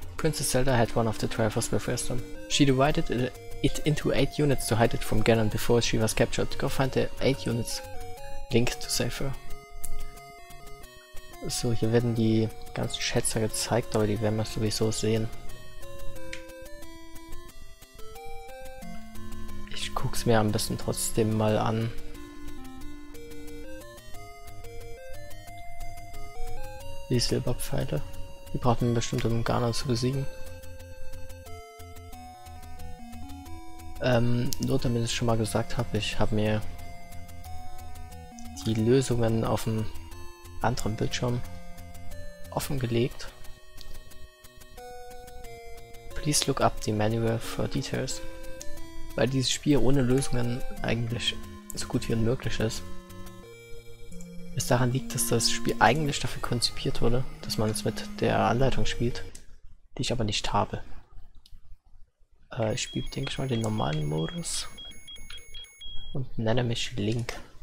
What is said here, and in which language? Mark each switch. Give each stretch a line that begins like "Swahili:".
English: Princess Zelda had one of the Triforce with wisdom. She divided it into 8 units to hide it from Ganon before she was captured. Go find the 8 units Link to save her.
German: So, hier werden die ganzen Schätze gezeigt, aber die werden wir sowieso sehen. Ich guck's mir am besten trotzdem mal an. Die Silberpfeile. Die braucht man bestimmt, um Ganon zu besiegen. Nur damit ich es schon mal gesagt habe, ich habe mir die Lösungen auf dem anderen Bildschirm offengelegt.
English: Please look up the manual for details.
German: Weil dieses Spiel ohne Lösungen eigentlich so gut wie unmöglich ist. Es daran liegt, dass das Spiel eigentlich dafür konzipiert wurde, dass man es mit der Anleitung spielt, die ich aber nicht habe. Ich spiele, denke ich mal, den normalen Modus und nenne mich Link.